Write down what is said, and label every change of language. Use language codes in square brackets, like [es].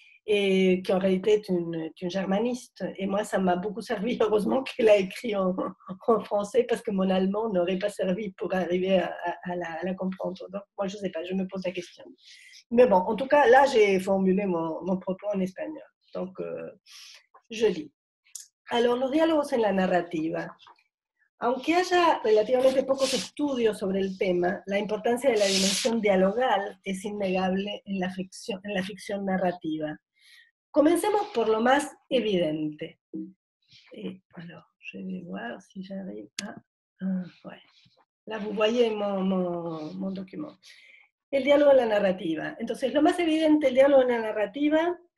[fr] Et qui en réalité est une germaniste. Et moi, ça m'a beaucoup servi. Heureusement qu'elle a écrit en français parce que mon allemand n'aurait pas servi pour arriver à la comprendre. Donc, moi, je ne sais pas, je me pose la question. Mais bon, en tout cas, là, j'ai formulé mon propos en espagnol. Donc, je lis. [es] Alors, los diálogos en la narrativa. Aunque haya relativamente pocos estudios sobre el tema, la importancia de la dimensión dialogal es innegable en la ficción narrativa. Comencemos por lo más evidente. [fr] Alors, je vais voir si j'arrive ouais. Là, vous voyez mon document. [es] El diálogo en la narrativa. Entonces, lo más evidente, el diálogo en la narrativa.